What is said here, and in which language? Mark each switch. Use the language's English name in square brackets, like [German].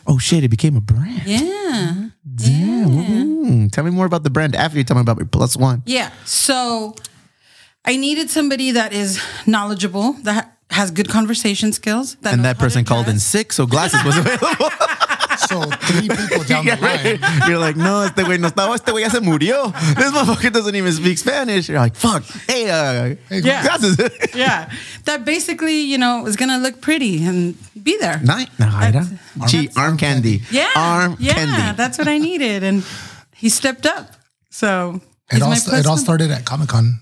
[English] Oh shit! It became a brand. Yeah. Damn. Yeah. Tell me more about the brand after you tell me about your plus one. Yeah. So, I needed somebody that is knowledgeable that. Has good conversation skills. That and that person called in sick, so glasses was available. So three people down the line. You're like, [Spanish] no, este güey no estaba, este güey ya se murió. [English] This motherfucker doesn't even speak Spanish. You're like, fuck, hey yeah. Glasses. Yeah, that basically, you know, was going to look pretty and be there. Night, Naira. Gee, arm candy. Yeah. Arm yeah, candy. Yeah, that's what I needed. And he stepped up, so... It all started at Comic-Con.